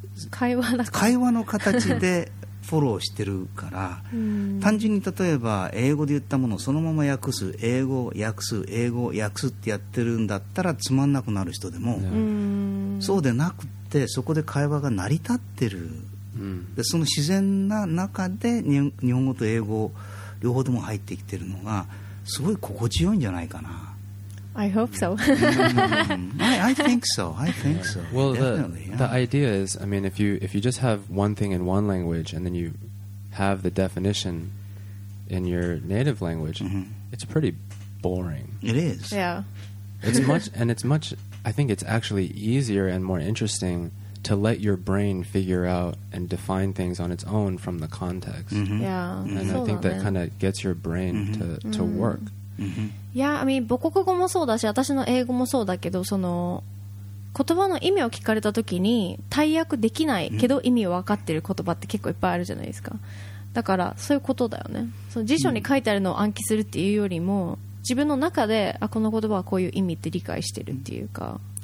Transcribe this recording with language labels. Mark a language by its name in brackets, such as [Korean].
[Japanese] 会話の形でフォローしてるから、単純に例えば英語で言ったものをそのまま訳す、英語訳す、英語訳すってやってるんだったらつまんなくなる人でも、そうでなくてそこで会話が成り立ってる、でその自然な中で日本語と英語両方とも入ってきてるのがすごい心地よいんじゃないかな。 [English] I hope so. I think so. Well, definitely, the idea is, I mean, if you just have one thing in one language and then you have the definition in your native language, mm-hmm. it's pretty boring. It is. Yeah. It's much, and it's much, I think it's actually easier and more interesting to let your brain figure out and define things on its own from the context. Mm-hmm. Yeah. Mm-hmm. And I think that kind of gets your brain mm-hmm. to mm-hmm. work. Yeah, I mean, [Japanese] 母国語もそうだし、私の英語もそうだけど、その言葉の意味を聞かれた時に対訳できないけど意味を分かってる言葉って結構いっぱいあるじゃないですか。だからそういうことだよね。その辞書に書いてあるのを暗記するっていうよりも、自分の中で、あ、この言葉はこういう意味って理解してるっていうか。